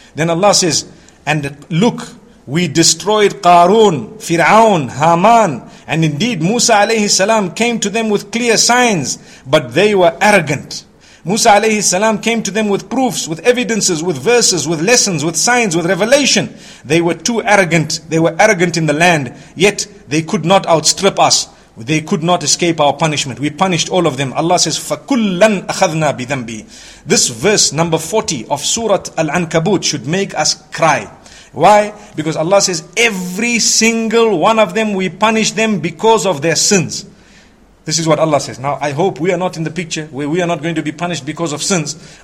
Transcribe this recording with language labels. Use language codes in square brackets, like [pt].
[en] Then Allah says, and look, we destroyed Qarun, Fir'aun, Haman, and indeed Musa alayhi salam came to them with clear signs, but they were arrogant. Musa alayhi salam came to them with proofs, with evidences, with verses, with lessons, with signs, with revelation. They were too arrogant. They were arrogant in the land, yet they could not outstrip us. They could not escape our punishment. We punished all of them. Allah says, [ar] فَكُلًّا أَخَذْنَا بِذَنْبِهِ. [en] This verse number 40 of Surah Al-Ankabut should make us cry. Why? Because Allah says, every single one of them, we punish them because of their sins. This is what Allah says. Now, I hope we are not in the picture where we are not going to be punished because of sins.